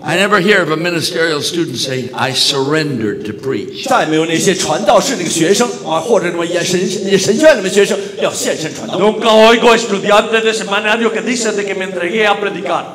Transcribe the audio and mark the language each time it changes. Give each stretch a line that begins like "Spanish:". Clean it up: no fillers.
English: I never hear of a ministerial student say, I surrendered to preach.
Chinese: 再没有那些传道士那个学生啊，或者那么神学院里面学生要献身传道。
Spanish: Nunca oigo estudiantes de seminario que dicen de que me entregué a predicar.